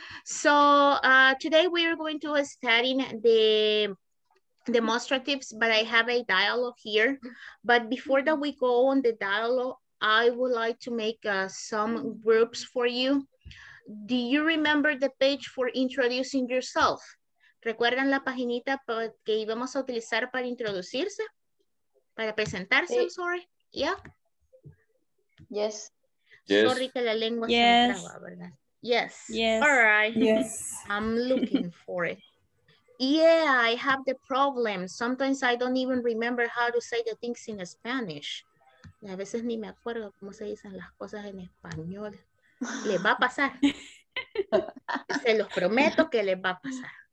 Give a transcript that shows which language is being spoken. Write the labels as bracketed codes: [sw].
[en] So today we are going to study the demonstratives, but I have a dialogue here. But before that we go on the dialogue, I would like to make some groups for you. Do you remember the page for introducing yourself? [es] ¿Recuerdan la paginita que íbamos a utilizar para introducirse? Para presentarse, [en] hey. I'm sorry. Yeah. Yes. [es] Sorry que la lengua [en] yes. [es] Se traba, ¿verdad? Yes. [en] Yes. All right. Yes. I'm looking for it. Yeah, I have the problem. Sometimes I don't even remember how to say the things in Spanish. [es] A veces ni me acuerdo cómo se dicen las cosas en español. Les va a pasar. Se los prometo que les va a pasar.